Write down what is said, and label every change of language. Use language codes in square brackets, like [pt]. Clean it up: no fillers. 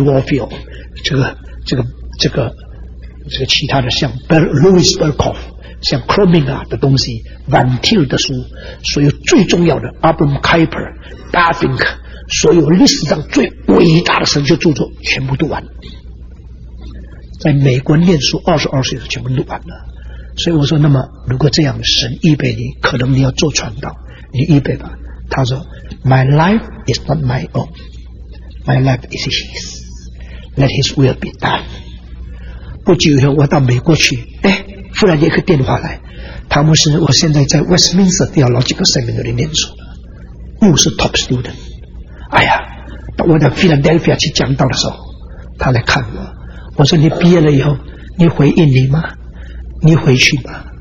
[zh] Warfield， 这个其他的像 Louis Berkhof， 像 Krominger 的东西 ，Van Til 的书，所有最重要的 Abram Kuyper、Bavinck， 所有历史上最伟大的神学著作全部读完。在美国念书22岁的全部读完了，所以我说，那么如果这样，神预备你，可能你要做传道，你预备吧。他说 [en] ：“My life is not my own。” My life is his. Let his will be done. [zh] 不久以后我到美国去，哎，忽然有一个电话来，汤姆斯，我现在在 Westminster Theological Seminary 念书，又是 [en] top student。 [zh] 哎呀，到我到 Philadelphia 去讲道的时候，他来看我，我说你毕业了以后你回印尼吗？你回去吗？